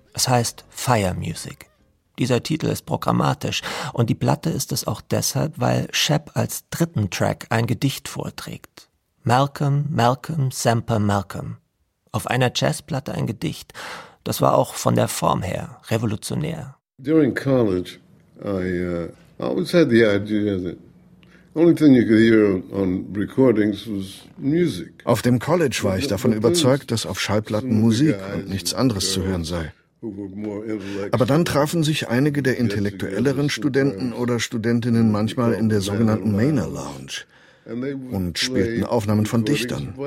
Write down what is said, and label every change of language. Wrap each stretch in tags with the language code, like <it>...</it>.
<de>Es heißt Fire Music. Dieser Titel ist programmatisch und die Platte ist es auch deshalb, weil Shepp als dritten Track ein Gedicht vorträgt. Malcolm, Malcolm, Semper Malcolm. Auf einer Jazzplatte ein Gedicht. Das war auch von der Form her revolutionär.</de> <en>During college, I always had the idea that only thing you could hear on recordings was music.</en> <de>Auf dem College war ich davon überzeugt, dass auf Schallplatten Musik und nichts anderes zu hören sei. Aber dann trafen sich einige der intellektuelleren Studenten oder Studentinnen manchmal in der sogenannten Manor Lounge und spielten Aufnahmen von Dichtern.</de>